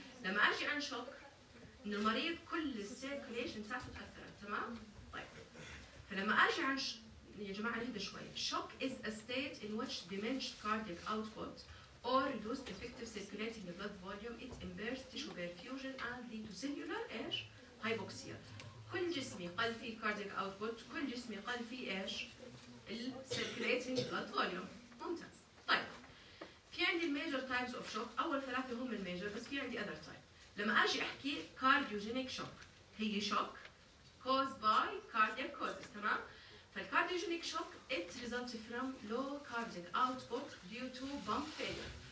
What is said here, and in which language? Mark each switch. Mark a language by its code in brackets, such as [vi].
[ar] لما أجي عن شوك، إن المريض كل السيركيليشن بتاعته تأثرت، تمام؟ طيب فلما أجي عن يا جماعة نهدى شوي. [en] Shock is a state in which diminished cardiac output or reduced effective circulating blood volume it impairs tissue perfusion and lead to cellular ايش؟ Hypoxia. [ar] كل جسمي قل فيه الكارديك أوتبوت، كل جسمي قل فيه إيش؟ السيركليتينج بلد فوليوم. ممتاز. طيب في عندي الميجر تايبز أوف شوك، أول ثلاثة هم الميجر، بس في عندي أذر تايب. [en] لما أجي أحكي كارديوجينيك شوك، هي shock caused by cardiac causes, تمام؟ فالكارديوجينيك shock it results from low cardiac output due to pump failure.